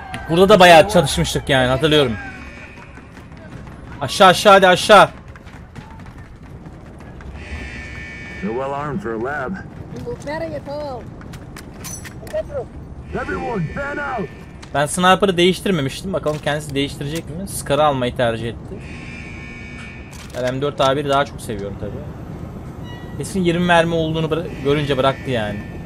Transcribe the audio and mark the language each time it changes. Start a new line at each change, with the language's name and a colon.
Turkish: Burada da bayağı çatışmıştık yani, hatırlıyorum. Aşağı aşağı, hadi aşağı.
English: They're well armed for a lab. Everyone, fan out.
Turkish: Ben sniper'ı değiştirmemiştim. Bakalım kendisi değiştirecek mi? Scar'ı almayı tercih etti. Ben M4A1'i daha çok seviyorum tabi. Kesin 20 mermi olduğunu görünce bıraktı yani.